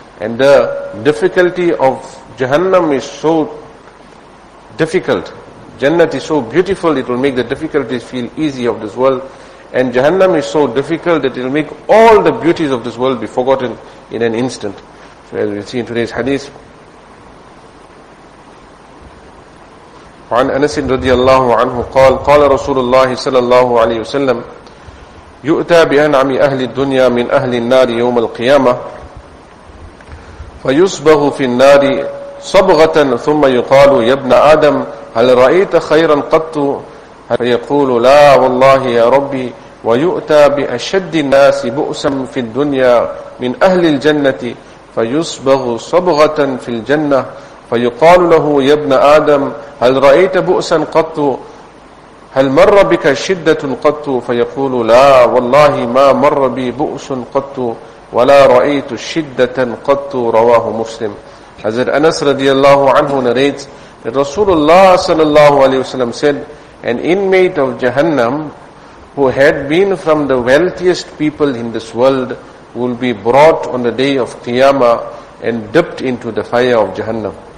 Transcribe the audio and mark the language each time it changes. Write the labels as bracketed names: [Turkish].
[English] And the difficulty of Jahannam is so difficult. Jannah is so beautiful, it will make the difficulties feel easy of this world. And Jahannam is so difficult that it will make all the beauties of this world be forgotten in an instant. So as we see in today's hadith, [Arabic] وعن أنس رضي الله عنه قال قال رسول الله صلى الله عليه وسلم يؤتى بأنعم أهل الدنيا من أهل النار يوم القيامة فيصبغ في النار صبغة ثم يقال يا ابن آدم هل رأيت خيرا قط فيقول لا والله يا ربي ويؤتى بأشد الناس بؤسا في الدنيا من أهل الجنة فيصبغ صبغة في الجنة فيقال له يا ابن آدم هل رأيت بؤسا قط هل مر بك شدة قط فيقول لا والله ما مر بي بؤس قط ولا رأيت شدة قط رواه مسلم. حضرت أنس رضي الله عنه [English] narrates that Rasulullah [Arabic] صلى الله عليه وسلم [English] said, an inmate of Jahannam who had been from the wealthiest people in this world will be brought on the day of Qiyamah and dipped into the fire of Jahannam.